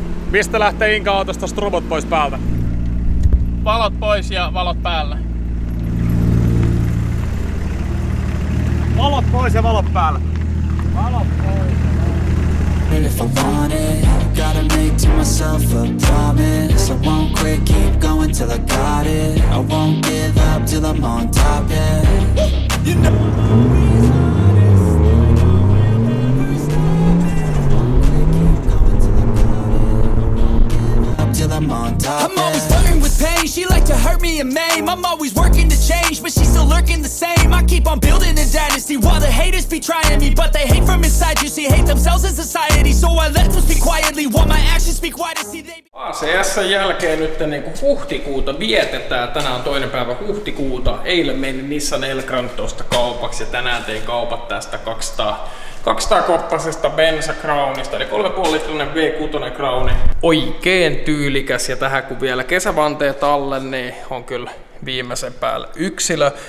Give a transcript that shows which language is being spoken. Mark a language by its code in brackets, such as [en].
[fi] Mistä lähtee Inka-autosta strobot pois päältä? Valot pois ja valot päällä. Valot pois ja valot päällä. Valot pois ja valot päällä. [en] To myself a promise, I won't quit, keep going till I got it. I won't give up till I'm on top, yeah. You know the reason is I'm always flirting with pain. She like to hurt me and maim. I'm always working to change, but she's still lurking the same. I keep on building a dynasty while the haters be trying me, but they hate from inside. You see, hate themselves in society, so I let them speak quietly while my actions speak quietly. See, they be... [fi] ACS:n jälkeen nyt niinku huhtikuuta vietetään. Tänään on toinen päivä huhtikuuta. Eilen meni Nissan Elgrand tuosta kaupaksi ja tänään tein kaupat tästä 200-koppasesta Bensa Crownista, eli 3,5-litrinen V6 Crowni. Oikein tyylikäs, ja tähän kun vielä kesävanteet alle, niin on kyllä viimeisen päällä yksilö.